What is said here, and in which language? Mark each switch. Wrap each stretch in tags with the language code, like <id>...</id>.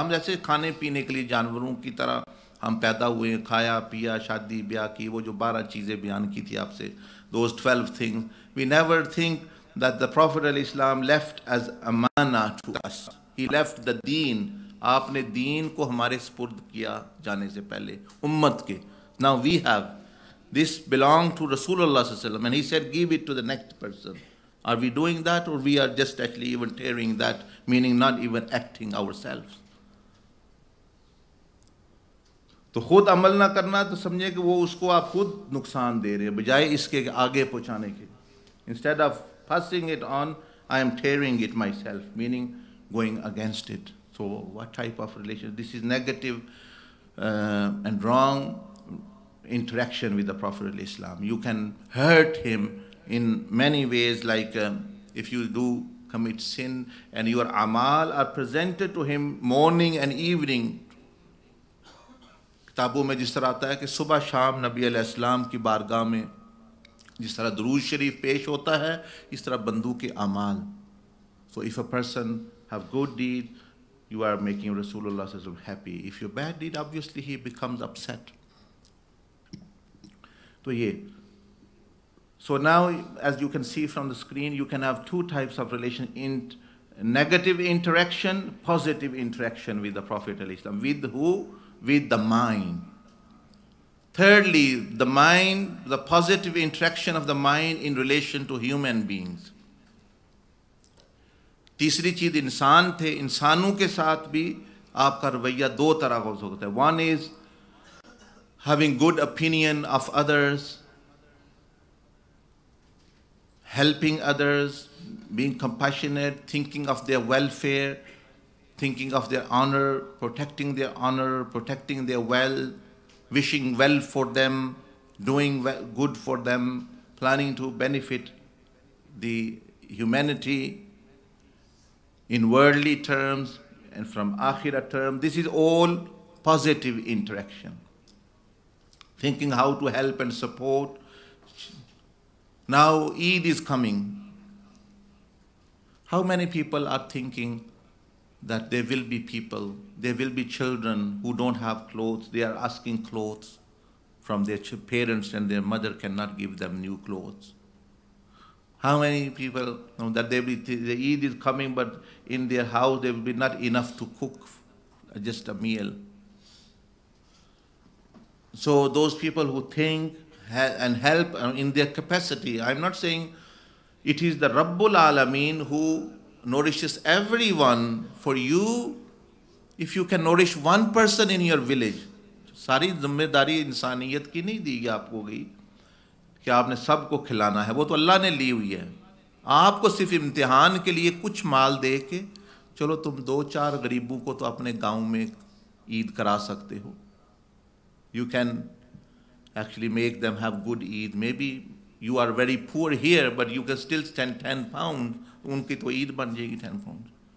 <ur>ہم جیسے کھانے پینے کے لیے جانوروں کی طرح ہم پیدا ہوئے ہیں, کھایا پیا, شادی بیاہ کی, وہ جو 12 چیزیں بیان کی تھی آپ سے,</ur> <en>Those 12 things, we never think that the prophet علیہ السلام left as امانہ to us. He left the deen.</en> <ur>آپ نے دین کو ہمارے سپرد کیا جانے سے پہلے امت کے.</ur> <en>Now we have this belong to رسول اللہ صلی اللہ علیہ وسلم, and he said give it to the next person. Are we doing that, or we are just actually even tearing that, meaning not even acting ourselves?</en> <ur>تو خود عمل نہ کرنا تو سمجھے کہ وہ اس کو آپ خود نقصان دے رہے ہیں بجائے اس کے آگے پہنچانے کے.</ur> <en>Instead of passing it on, I am tearing it myself, meaning going against it. So what type of relation? This is negative and wrong interaction with the Prophet of Islam. You can hurt him in many ways, like if you do commit sin and your amal are presented to him morning and evening.</en> <ur>کتابوں میں جس طرح آتا ہے کہ صبح شام نبی علیہ السلام کی بارگاہ میں جس طرح درود شریف پیش ہوتا ہے, اس طرح بندو کے اعمال.</ur> <en>So if a person have good deed, you are making Rasulullah sallallahu alaihi wasallam happy. If your bad deed, obviously he becomes upset. So yeah. So now, as you can see from the screen, you can have two types of relation: negative interaction, positive interaction with the Prophet alaihi wasallam. With who? With the mind. Thirdly, the mind, the positive interaction of the mind in relation to human beings.</en> <ur>تیسری چیز انسان تھے, انسانوں کے ساتھ بھی آپ کا رویہ دو طرح ہو سکتا ہے.</ur> <en>One is having good opinion of others, helping others, being compassionate, thinking of their welfare, thinking of their honour, protecting their honour, protecting their well, wishing well for them, doing good for them, planning to benefit the humanity in worldly terms and from akhirah term. This is all positive interaction, thinking how to help and support. Now Eid is coming. How many people are thinking that there will be people, there will be children who don't have clothes, they are asking clothes from their parents and their mother cannot give them new clothes? How many people know that they will the Eid is coming, but in their house there will be not enough to cook just a meal? So those people who think and help in their capacity, I'm not saying it is the Rabbul Alameen who nourishes everyone for you. If you can nourish one person in your village,</en> <ur>sari zimmedari insaniyat ki nahi di gayi aapko gayi کہ آپ نے سب کو کھلانا ہے, وہ تو اللہ نے لی ہوئی ہے. آپ کو صرف امتحان کے لیے کچھ مال دے کے چلو, تم دو چار غریبوں کو تو اپنے گاؤں میں عید کرا سکتے ہو.</ur> <en>You can actually make them have good Eid. Maybe you are very poor here, but you can still stand 10 pounds,</en> <ur>ان کی تو عید بن جائے گی</ur> <en>10 pounds.</en>